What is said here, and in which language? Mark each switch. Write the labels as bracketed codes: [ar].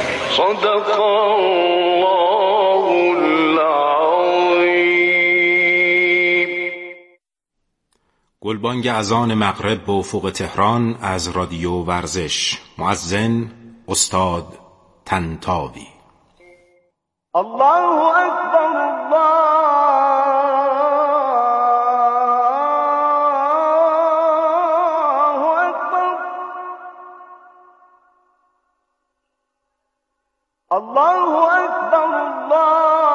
[ar] صدق الله العظيم. [fa] گلبانگ اذان مغرب به افق تهران از رادیو ورزش. مؤذن استاد تنتاوی. [ar] الله اکبر الله اکبر الله اکبر